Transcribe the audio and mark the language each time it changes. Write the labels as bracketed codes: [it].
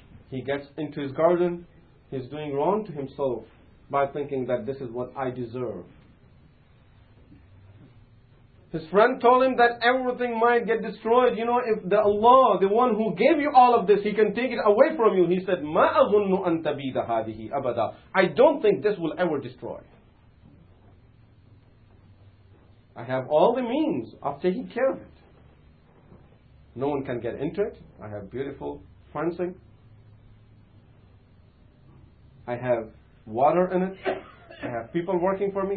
[en] He gets into his garden, he's doing wrong to himself by thinking that this is what I deserve. His friend told him that everything might get destroyed. You know, if the Allah, the one who gave you all of this, he can take it away from you. He said, [ar] مَا أَظُنُّ أَن تَبِيدَ هَذِهِ أَبَدًا. [en] I don't think this will ever destroy. I have all the means of taking care of it. No one can get into it. I have beautiful fencing. I have water in it. I have people working for me.